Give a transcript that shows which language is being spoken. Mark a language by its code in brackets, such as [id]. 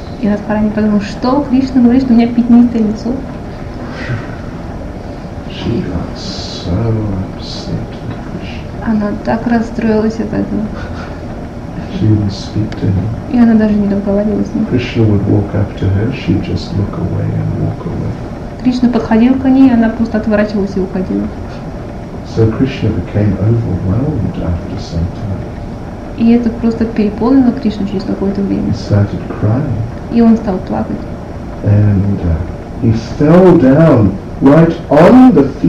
[ru] И Радхарани подумал, что Кришна говорит, что у меня пятнистое лицо. [en] She got so upset with Krishna. [ru] Она так расстроилась от этого. [en] She didn't speak to him. [ru] И она даже не разговаривала с ним. [en] Krishna would walk up to her, she'd just look away and walk away. [ru] Кришна подходил к ней, и она просто отворачивалась и уходила. [en] So Krishna became overwhelmed after some time. [ru] И это просто переполнило Кришну через какое-то время. И он стал плакать. [en] Right,